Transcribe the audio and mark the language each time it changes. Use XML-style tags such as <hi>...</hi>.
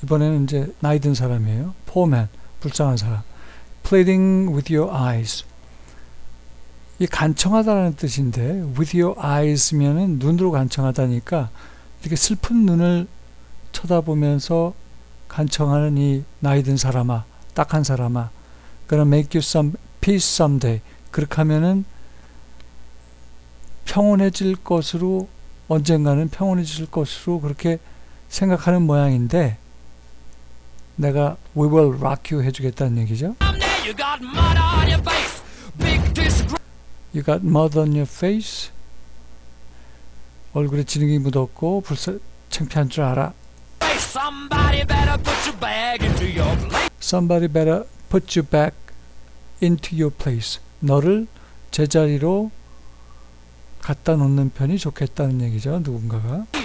<ko>이번에는 이제 나이 든 사람이에요.</ko> <en>Poor man,</en> <ko>불쌍한 사람.</ko> <en>Pleading with your eyes.</en> <ko>이 간청하다라는 뜻인데,</ko> <en>with your eyes</en> <ko>면은 눈으로 간청하다니까 이렇게 슬픈 눈을 쳐다보면서 간청하는 이 나이 든 사람아, 딱한 사람아,</ko> <en>gonna make you some peace someday.</en> <ko>그렇게 하면은 평온해질 것으로. 언젠가는 평온해질 것으로 그렇게 생각하는 모양인데, 내가</ko> <en>We will rock you</en> <ko>해주겠다는 얘기죠.</ko> <en>You got mud on your face, big disgrace. You got mud on your face.</en> <ko>얼굴에 진흙이 묻었고 불쌍 창피한 줄 알아.</ko> <en>Somebody better put you back into your place. Somebody better put you back into your place.</en> <ko>너를 제자리로 갖다 놓는 편이 좋겠다는 얘기죠, 누군가가.</ko>